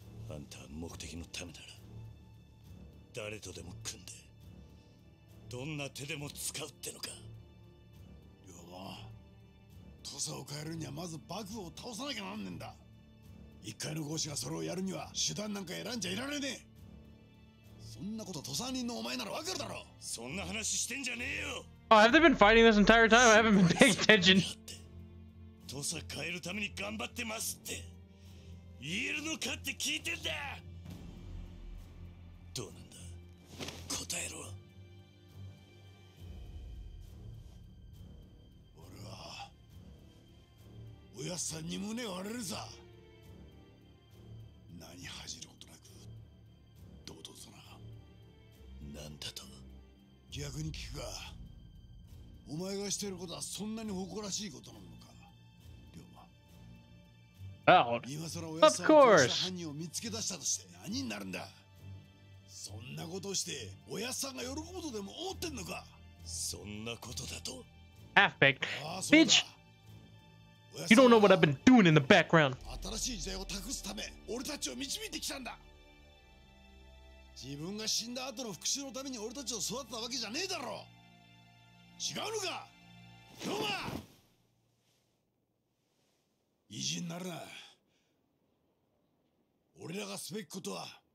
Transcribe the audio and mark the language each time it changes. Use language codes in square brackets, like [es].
[ja] あんたは目的のためなら。誰とでも組んで、どんな手でも使うってのか。龍馬、土佐を変えるにはまず幕府を倒さなきゃなんねんだ。一介の豪士がそれをやるには手段なんか選んじゃいられねえ。そんなこと土佐人のお前ならわかるだろ。そんな話してんじゃねえよ。 [en] Oh, have they been fighting this entire time? I haven't been paying attention. [ja] 土佐変えるために頑張ってますって言えるのかって聞いてんだ。どうなんだ、答えろ。俺はおやっさんに胸を割れるさ。何恥じることなく堂々とな。何だと。逆に聞くか、お前がしてることはそんなに誇らしいことなのか、龍馬。今更おやっさんを殺した犯人を見つけ出したとして何になるんだ。そんなことして、おやさんが喜ぶとでも思ってんのか。そんなことだと。 [en] Half-baked. Bitch! You don't know what I've been doing in the background. [ja] 新しい時代を託すため、俺たちを導いてきたんだ。自分が死んだ後の復讐のために俺たちを育てたわけじゃねえだろ。違うのか、龍馬。意地になるな。俺らがすべきことは、